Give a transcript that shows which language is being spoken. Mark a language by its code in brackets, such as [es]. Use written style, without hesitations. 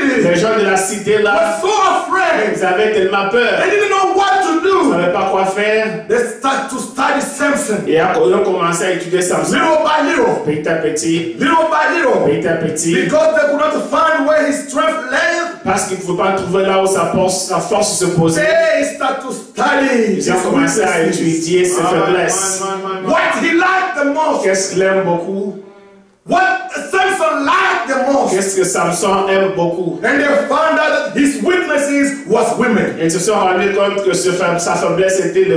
[fr] Les gens de la cité là. [en] Were so afraid. [fr] Ils avaient tellement peur. [en] They didn't know what to do. [fr] Ils ne savaient pas quoi faire. [en] They start to study Samson. [fr] Et ils ont commencé à étudier Samson. [en] Little by little. [fr] Petit à petit. [en] Little by little. [fr] Petit à petit. [en] Because they could not find where his strength lay. [fr] Parce qu'ils ne pouvaient pas trouver là où sa force se posait. [en] They start to study. [fr] Ils ont commencé à étudier ses faiblesses. [en] What he liked the most. [fr] Qu'est-ce qu'il aime beaucoup? [en] What Samson liked the most. [fr] Qu'est-ce que Samson aime beaucoup. [en] And they found out that his weaknesses was women. [fr] Et ils se sont rendu compte que sa faiblesse était les